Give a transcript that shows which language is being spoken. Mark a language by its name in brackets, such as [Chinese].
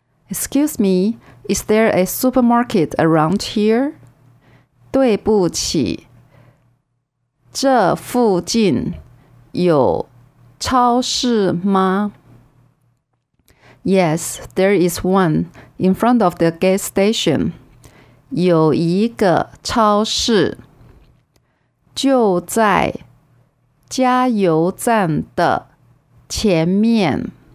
[English] Excuse me, is there a supermarket around here? [Chinese] 对不起，这附近有超市吗? [English] Yes, there is one in front of the gas station. [Chinese] 有一个超市就在加油站的前面。